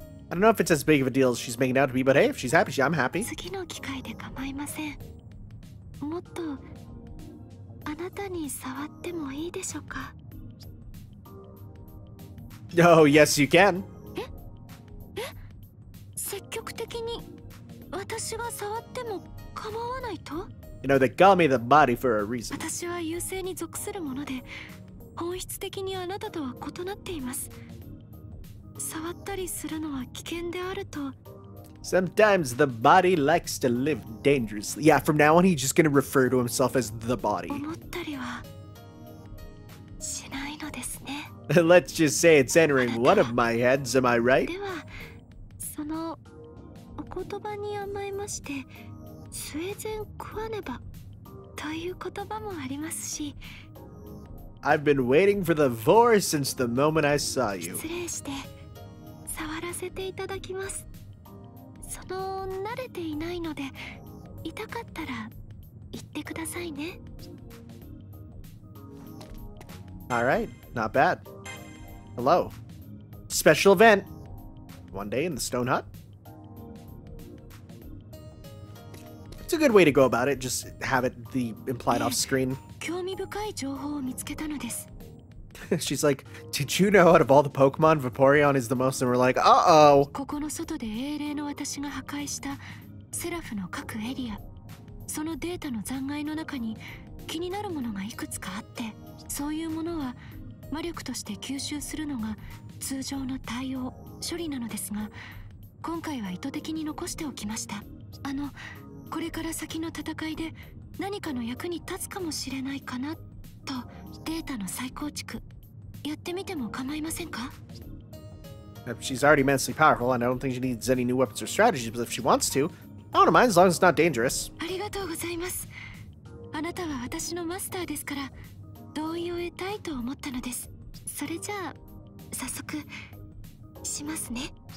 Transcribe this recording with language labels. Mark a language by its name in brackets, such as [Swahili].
[English] I don't know if it's as big of a deal as she's making out to be, but hey, if she's happy, I'm happy. [Japanese] 次の機会で構いません。もっとあなたに触ってもいいでしょうか? [English] Oh, yes, you can. え?え? [Japanese] 積極的に私が触っても構わないと? [English] You know, they call me the body for a reason. [Japanese] 私は優勢に属するもので、本質的にあなたとは異なっています。触ったりするのは危険であると。 [English] Sometimes the body likes to live dangerously. Yeah, from now on, he's just gonna refer to himself as the body. [Japanese] 思ったりはしないのですね。 [English] Let's just say it's entering one of my heads, am I right? [Japanese] では、そのお言葉に甘えまして、スエゼン食わねばという言葉もありますし、 [English] I've been waiting for the vor since the moment I saw you. [Japanese] 失礼して。触らせていただきます。その慣れていないので、痛かったら言ってくださいね。 [English] All right, not bad. Hello. Special event. One day in the stone hut. It's a good way to go about it. Just have it the implied off screen. [Japanese] 興味深い情報を見つけたのです。 [English] She's like, did you know out of all the Pokemon, Vaporeon is the most? And we're like, uh-oh. [Japanese] ここの外で英霊の私が破壊したセラフの各エリア、そのデータの残骸の中に気になるものがいくつかあって、そういうものは魔力として吸収するのが通常の対応処理なのですが、今回は意図的に残しておきました。あの、これから先の戦いで何かの役に立つかもしれないかなと。データの再構築やってみても構いませんか? [English] She's already immensely powerful, and I don't think she needs any new weapons or strategies, but if she wants to, I don't mind as long as it's not dangerous. [Japanese] ありがとうございます。あなたは私のマスターですから同意を得たいと思ったのです。それじゃあ早速しますね。